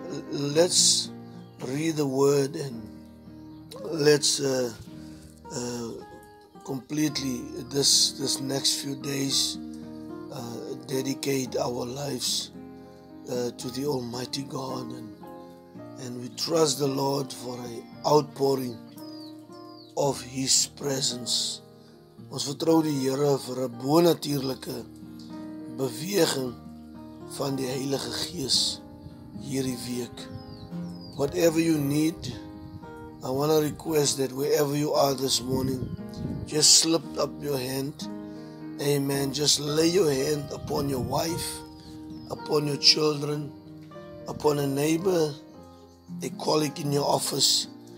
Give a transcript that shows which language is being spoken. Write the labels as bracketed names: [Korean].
[English] Let's read the word and let's completely this next few days dedicate our lives to the Almighty God, and we trust the Lord for an outpouring of His presence. [Afrikaans] Ons vertrou die Here vir 'n bonatuurlike beweging van die Heilige Gees hierdie week. [English] Whatever you need, I want to request that wherever you are this morning, just slip up your hand. Amen. Just lay your hand upon your wife, upon your children, upon a neighbor, a colleague in your office.